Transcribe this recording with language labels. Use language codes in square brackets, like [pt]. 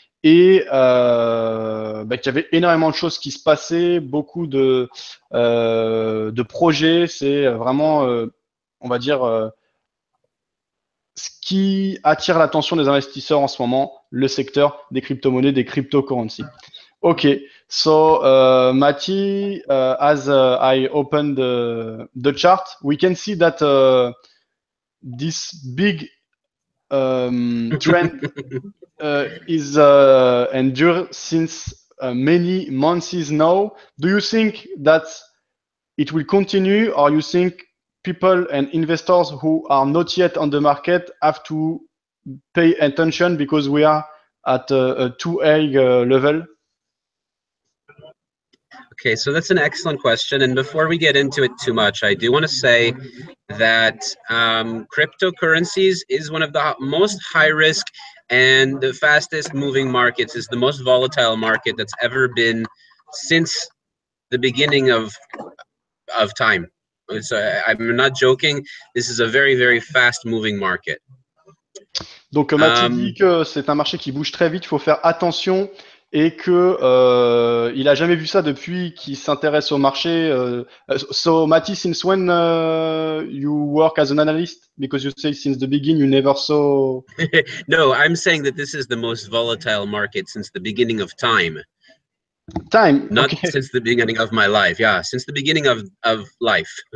[fr] Et qu'il y avait énormément de choses qui se passaient, beaucoup de projets. C'est vraiment, on va dire, ce qui attire l'attention des investisseurs en ce moment, le secteur des crypto-monnaies, des crypto-currencies. [en] Ok, so Mati, as I open the chart, we can see that this big trend is endure since many months now. Do you think that it will continue, or you think people and investors who are not yet on the market have to pay attention because we are at a too high level? Okay, so that's an excellent question. And before we get into it too much, I do want to say that cryptocurrencies is one of the most high risk and the fastest moving markets, is the most volatile market that's ever been since the beginning of time. So I'm not joking. This is a very, very fast moving market. [fr] Donc, Mathilde dit que c'est un marché qui bouge très vite, il faut faire attention. et que il a jamais vu ça depuis qu'il s'intéresse au marché. [en] So Mati, since when you work as an analyst? Because you say since the beginning you never saw. No, I'm saying that this is the most volatile market since the beginning of time. Since the beginning of my life. Yeah, since the beginning of life.